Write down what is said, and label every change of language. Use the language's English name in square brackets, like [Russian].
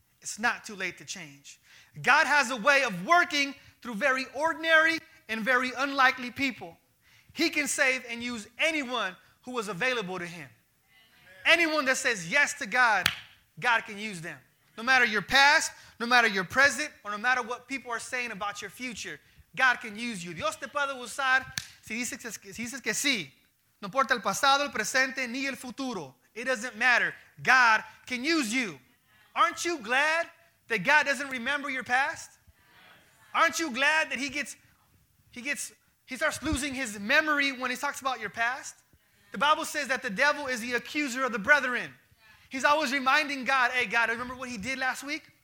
[English] It's not too late to change. God has a way of working through very ordinary and very unlikely people. He can save and use anyone who was available to him. Anyone that says yes to God, God can use them. No matter your past, no matter your present, or no matter what people are saying about your future, God can use you. [Spanish] Dios te puede usar si dices que sí. No importa el pasado, el presente, ni el futuro. [English] It doesn't matter. God can use you. Aren't you glad that God doesn't remember your past? Aren't you glad that he starts losing his memory when he talks about your past? The Bible says that the devil is the accuser of the brethren. He's always reminding God, hey, God, remember what he did last week?